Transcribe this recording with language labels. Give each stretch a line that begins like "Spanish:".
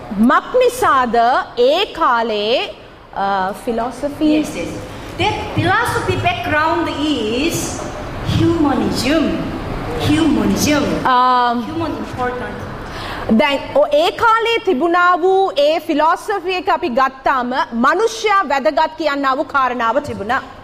Sinhala: මක්නිසාද ඒ කාලේ philosophy.
English: Yes, yes. That philosophy background is humanism. Humanism. Human important.
Sinhala: දැන් ඒ කාලේ තිබුණා වූ ඒ philosophy එක අපි ගත්තාම මිනිස්සයා වැදගත් කියනවා වූ කාරණාව තිබුණා.